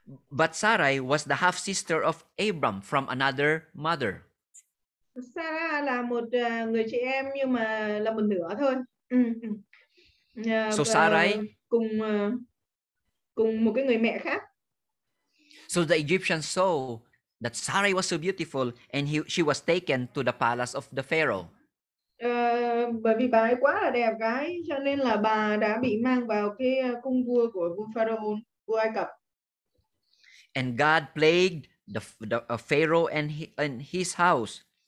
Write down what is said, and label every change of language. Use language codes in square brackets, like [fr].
[en] But Sarai was the half sister of Abram from another mother. [vi] Sarah là một người chị em nhưng mà là một nửa thôi. [en] So Sarai [vi] cùng một cái người mẹ khác. [en] So the Egyptians saw that Sarai was so beautiful and she was taken to the palace of the Pharaoh. [vi] Bởi vì bà ấy quá là đẹp gái cho nên là bà đã bị mang vào cái cung vua của vua Pharaoh, vua Ai Cập. [en] And God plagued the Pharaoh and his house.